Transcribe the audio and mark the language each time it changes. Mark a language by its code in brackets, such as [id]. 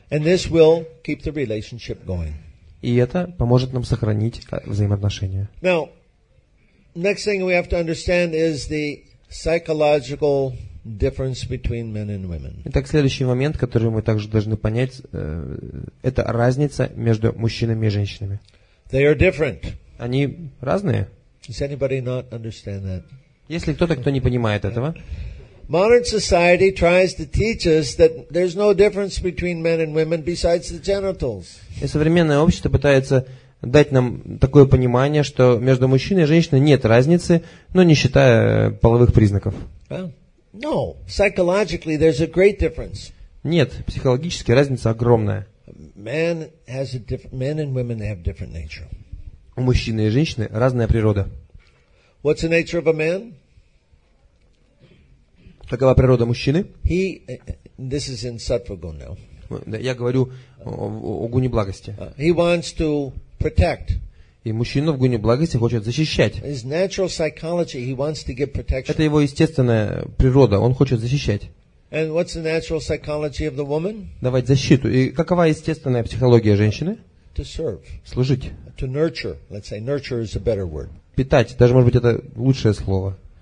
[en] And this will keep the relationship going. [ru] И это поможет нам сохранить взаимоотношения. [en] Now, next thing we have to understand is the psychological difference between men and women. [ru] Итак, следующий момент, который мы также должны понять, это разница между мужчинами и женщинами. [en] They are different. [ru] Они разные. [en] Does anybody not understand that? [ru] Если кто-то, кто не понимает этого. [en] Modern society tries to teach us that there's no difference between men and women besides the genitals. [ru] И современное общество пытается дать нам такое понимание, что между мужчиной и женщиной нет разницы, но не считая половых признаков. [en] No, psychologically there's a great difference. [ru] Нет, психологически разница огромная. [en] Men has a different, men and women have different nature. [ru] У мужчины и женщины разная природа. [en] What's the nature of a man? [ru] Какова природа мужчины? [en] He, this is in Satvagun now. [ru] Я говорю о гуне благости. [en] He wants to protect. [ru] И мужчина в гуне благости хочет защищать. [en] His natural psychology, he wants to give protection. [ru] Это его естественная природа, он хочет защищать. [en] And what's the natural psychology of the woman? [ru] Давать защиту. И какова естественная психология женщины? [en] To serve. [ru] Служить. [en] To nurture. Let's say nurture is a better word. [ru] Питать. Даже, может быть, это лучшее слово.